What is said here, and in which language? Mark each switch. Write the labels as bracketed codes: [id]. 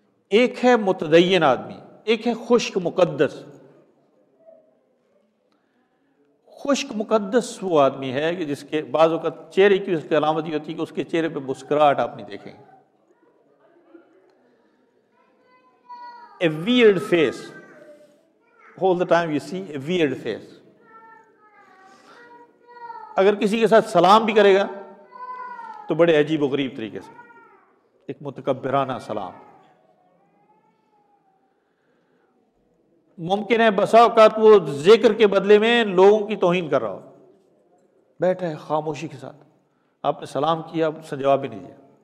[hi] एक है मुतदय्यन आदमी, एक है खुश्क मुकद्दस। खुश्क मुकद्दस वो आदमी है कि जिसके बाज़ वक़्त चेहरे की उसकी अलामत ही होती है कि उसके चेहरे पे मुस्कुराहट आप नहीं देखेंगे। [en] A weird face, all the time you see a weird face. [hi] अगर किसी के साथ सलाम भी करेगा तो बड़े अजीब गरीब तरीके से, एक मुतकब्बिराना सलाम। मुमकिन है बसा औकात वो जिक्र के बदले में लोगों की तोहीन कर रहा हो, बैठा है खामोशी के साथ, आपने सलाम किया उसने जवाब भी नहीं दिया।